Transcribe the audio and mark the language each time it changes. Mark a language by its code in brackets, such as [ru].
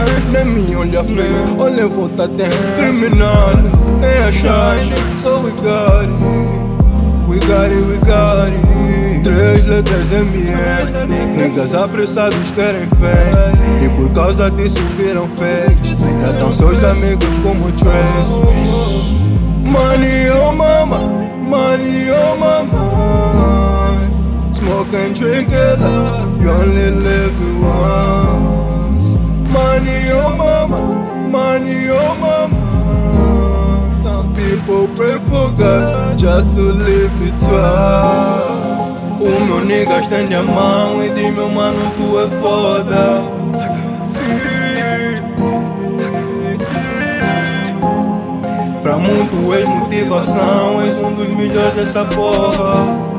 [pt] Nem me olha feio, olha a volta dentro. Criminal, é a chance. [en] So we got it, we got it, we got it. [pt] Três letras M&M. Niggas apressados querem fé, e por causa disso viram fake. Tratam seus amigos como trash. [en] Money on my mind, money on my mind. Smoke and drink it up, you only live it once. Money on my mind, money on my mind. Some people pray for God just to live it twice. [pt] O meu nigga estende a mão e diz: meu mano, tu é foda. Pra muito és motivação, és um dos melhores dessa porra.